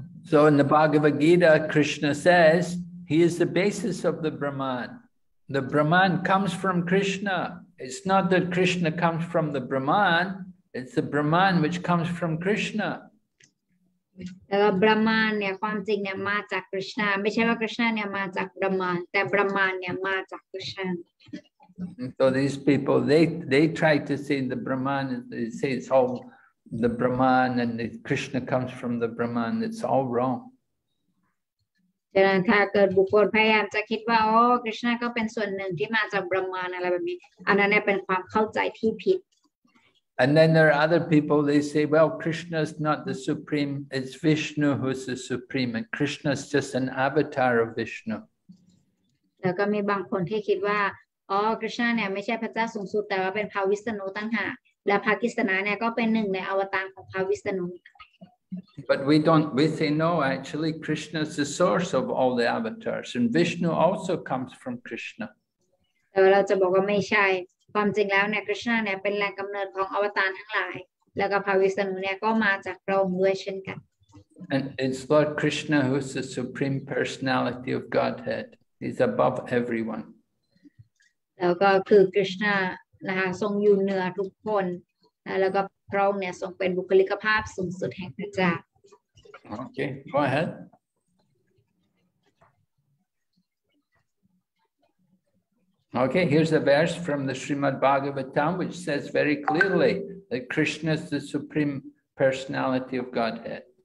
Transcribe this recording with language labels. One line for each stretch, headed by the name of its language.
English: so in the Bhagavad Gita Krishna says he is the basis of the BrahmanThe Brahman comes from Krishna. It's not that Krishna comes from the Brahman. It's the Brahman which comes from Krishna.
Thai: Brahman, เนี่ยความจริงเนี่ยมาจาก Krishna. ไม่ใช่ว่า Krishna เนี่ยมาจาก Brahman. แต่ Brahman เนี่ยมาจาก Krishna.
English: So these people, they try to say the Brahman. They say it's all the Brahman and Krishna comes from the Brahman. It's all wrong.
Thai: ฉะนั้นถ้าเกิดบุคคลพยายามจะคิดว่าโอ้คริชนาก็เป็นส่วนหนึ่งที่มาจากบรมานอะไรแบบนี้อันนั้นเนี่ยเป็นความเข้าใจที่ผิด
English: And then there are other people, they say, well, Krishna is not the supreme, it's Vishnu who's the supreme, and Krishna is just an avatar of Vishnu.
Thai: แล้วก็มีบางคนที่คิดว่าอ๋อคริชนาเนี่ยไม่ใช่พระเจ้าสูงสุดแต่ว่าเป็นพระวิษณุตั้งหากและพระกฤษณะเนี่ยก็เป็นหนึ่งในอวตารของพระวิษณุ
English: But we don't, we say no, actually Krishna is the source of all the avatars and Vishnu also comes from Krishna.
Thai: แต่เราจะบอกว่าไม่ใช่ความจริงแล้วเนี่ยคริชนาเนี่ยเป็นแหล่งกำเนิดของอวตารทั้งหลายแล้วก็พระวิษณุเนี่ยก็มาจากพระองค์ด้วยเช่นกัน
English: And it's Lord Krishna who's the supreme personality of Godhead. He's above everyone.
Thai: แล้วก็คือคริชนานะคะทรงอยู่เหนือทุกคนนะแล้วก็พระองค์เนี่ยทรงเป็นบุคลิกภาพสูงสุดแห่งพระเจ้า โอเค
English: go ahead okay here's a verse from the Srimad Bhagavatam which says very clearly that Krishna is the supreme personality of Godhead